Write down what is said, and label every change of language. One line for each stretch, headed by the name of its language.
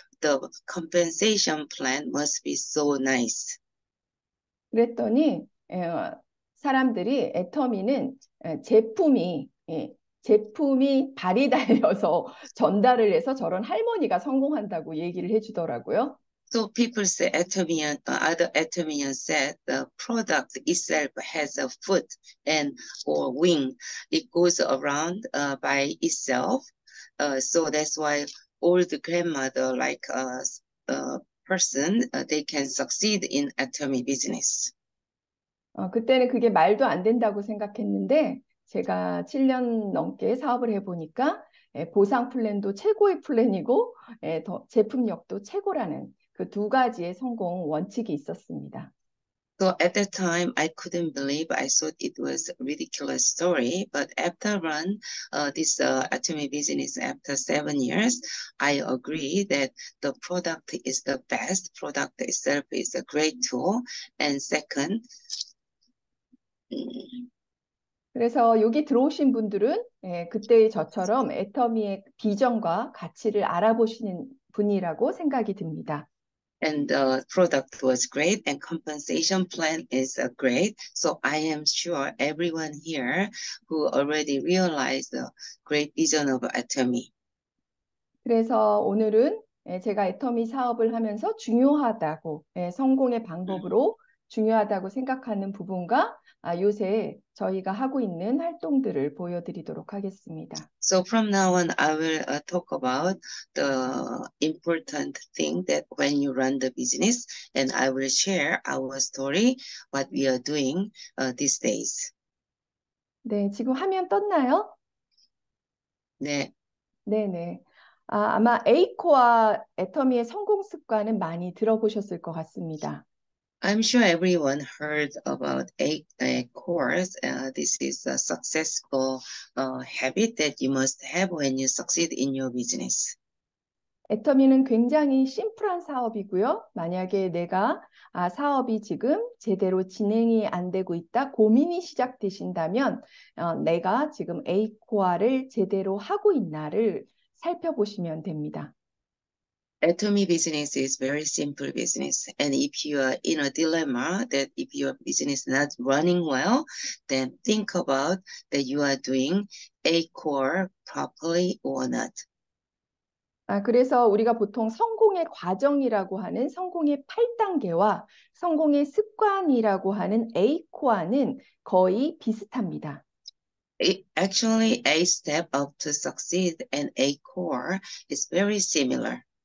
English: The compensation plan must be so nice.
Korean: 그랬더니, 사람들이 애터미는 제품이 발이 달려서 전달을 해서 저런 할머니가 성공한다고 얘기를 해주더라고요.
English: So people say Atomian, other Atomians said the product itself has a foot and or wing. It goes around by itself. So that's why old grandmother like a person they can succeed in Atomy business.
Korean: 그때는 그게 말도 안 된다고 생각했는데, 제가 7년 넘게 사업을 해보니까 보상 플랜도 최고의 플랜이고 더 제품력도 최고라는 그두 가지의 성공 원칙이 있었습니다.
English: So at that time, I couldn't believe. I thought it was a ridiculous story. But after run this atomy business after 7 years, I agree that the product is the best. Product itself is a great tool. And second,
Korean: 그래서 여기 들어오신 분들은 예, 그때의 저처럼 애터미의 비전과 가치를 알아보시는 분이라고 생각이 듭니다.
English: And the product was great, and compensation plan is great. So I am sure everyone here who already realized the great vision of Atomy.
Korean: 그래서 오늘은 예, 제가 애터미 사업을 하면서 중요하다고 예, 성공의 방법으로 중요하다고 생각하는 부분과 아, 요새 저희가 하고 있는 활동들을 보여드리도록 하겠습니다.
English: So from now on, I will talk about the important thing that when you run the business, and I will share our story, what we are doing these days.
Korean: 네, 지금 화면 떴나요? 네. 네. 아, 아마 에이코와 애터미의 성공 습관은 많이 들어보셨을 것 같습니다.
English: I'm sure everyone heard about a course. This is a successful habit that you must have when you succeed in your business.
Korean: 애터미는 굉장히 심플한 사업이고요. 만약에 내가 아, 사업이 지금 제대로 진행이 안 되고 있다, 고민이 시작되신다면 내가 지금 에이코아를 제대로 하고 있나를 살펴보시면 됩니다.
English: Atomy business is very simple business. And if you are in a dilemma that if your business is not running well, then think about that you are doing A core properly or not.
Korean: 아, 그래서 우리가 보통 성공의 과정이라고 하는 성공의 8단계와 성공의 습관이라고 하는 에이코아는 거의 비슷합니다.
English: Actually, a step up to succeed and a core is very similar.